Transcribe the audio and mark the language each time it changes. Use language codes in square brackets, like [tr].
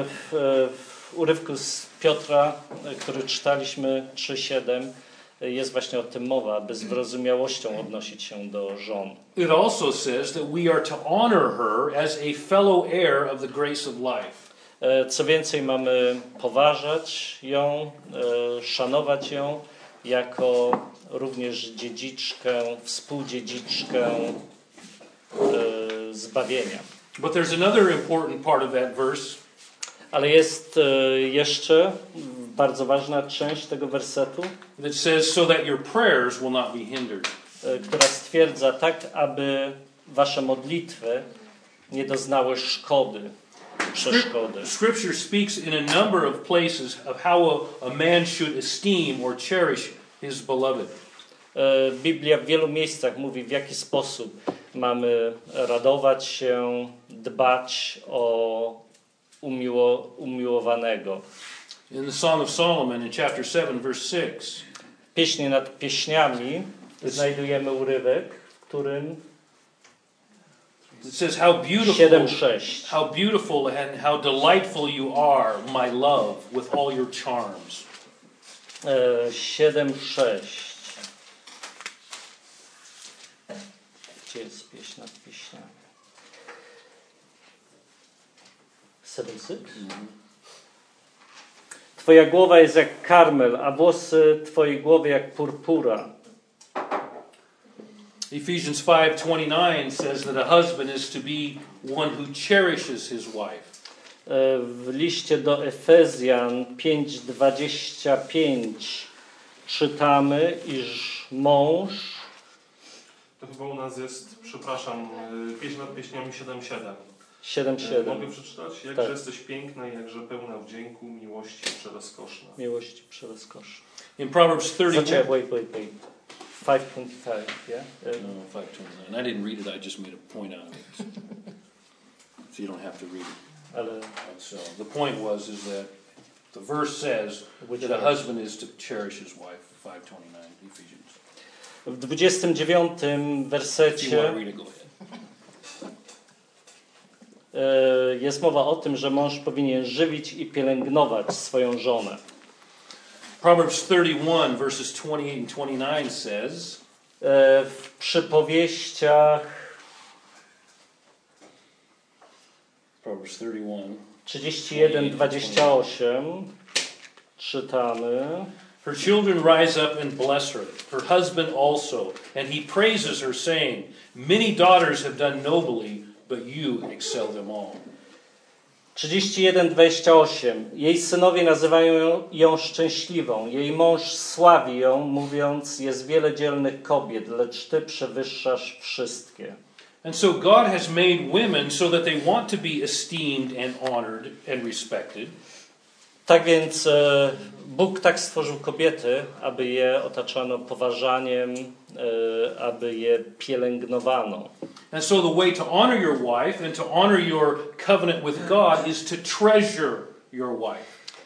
[pl] W urywku z Piotra, który czytaliśmy 3:7, jest właśnie o tym mowa, aby z wyrozumiałością odnosić się do żon. [en] It also says that we are to honor her as a fellow heir of the grace of life. [pl] Co więcej, mamy poważać ją, szanować ją jako również dziedziczkę, współdziedziczkę zbawienia. [en] But there's another important part of that verse. [pl] Ale jest jeszcze bardzo ważna część tego wersetu. [en] That says so that your prayers will not be hindered. [pl] Która stwierdza tak, aby wasze modlitwy nie doznały szkody. przeszkodę. [en] Scripture speaks in a number of places of how a man should esteem or cherish his beloved. [pl] Biblia w wielu miejscach mówi, w jaki sposób mamy radować się, dbać o umiłowanego. [en] In the Song of Solomon in chapter 7 verse 6. [pl] Pieśni nad pieśniami znajdujemy urywek, w którym [en] it says how beautiful 7:6. How beautiful and how delightful you are, my love, with all your charms. 7:6. [pl] Gdzie jest pieśń nad pieśniami? 7:6? Twoja głowa jest jak karmel, a włosy twojej głowy jak purpura. [en] Ephesians 5:29 says that a husband is to be one who cherishes his wife. [pl] W liście do Efezjan 5:25 czytamy, iż mąż to chyba u nas jest, przepraszam, pieśń nad pieśniami 7:7. 7:7. Mogę przeczytać? Jakże tak. Jesteś piękna i jakże pełna wdzięku, miłości przerozkoszna. Miłości przerozkoszna. [en] In Proverbs 30... [pl] Zaczekaj, [en] wait. 5:25, yeah? No, 5:29. I didn't read it, I just made a point out of it. So you don't have to read it. [pl] Ale... [en] So the point was is that the verse says which that verse? A husband is to cherish his wife. 5:29, Ephesians. [pl] W 29 wersecie... [en] If you want to read it, go ahead. [pl] Jest mowa o tym, że mąż powinien żywić i pielęgnować swoją żonę. [en] Proverbs 31, verses 28 and 29 says [pl] w przypowieściach [en] Proverbs [pl] 31:28 czytamy. [en] Her children rise up and bless her, her husband also, and he praises her, saying, many daughters have done nobly, but you excel them all. [pl] 31:28. Jej synowie nazywają ją szczęśliwą. Jej mąż sławi ją, mówiąc, jest wiele dzielnych kobiet, lecz ty przewyższasz wszystkie. [en] And so God has made women so that they want to be esteemed and honored and respected. [pl] Tak więc Bóg tak stworzył kobiety, aby je otaczano poważaniem, aby je pielęgnowano. [en] And so the way to honor your wife and to honor your covenant with God is to treasure your wife.